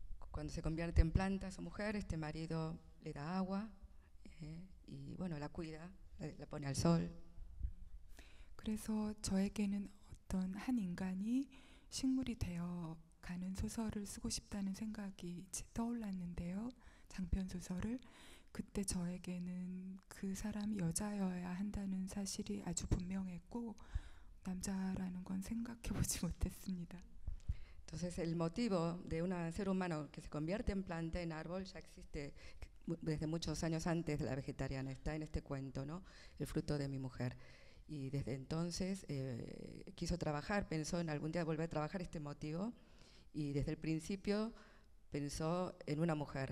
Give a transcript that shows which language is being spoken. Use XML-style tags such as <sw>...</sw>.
<es>Cuando se convierte en planta su mujer, este marido le da agua y bueno, la cuida, la pone al sol.</es> <ko>그래서 저에게는 어떤 한 인간이 식물이 되어 가는 소설을 쓰고 싶다는 생각이 떠올랐는데요. 장편 소설을 그때 저에게는 그 사람이 여자여야 한다는 사실이 아주 분명했고 남자라는 건 생각해 보지 못했습니다.</ko> <es>Entonces el motivo de un ser humano que se convierte en planta, en árbol, ya existe desde muchos años antes de la vegetariana, está en este cuento, ¿no? El fruto de mi mujer. Y desde entonces quiso trabajar, pensó en algún día volver a trabajar este motivo, y desde el principio pensó en una mujer.</es>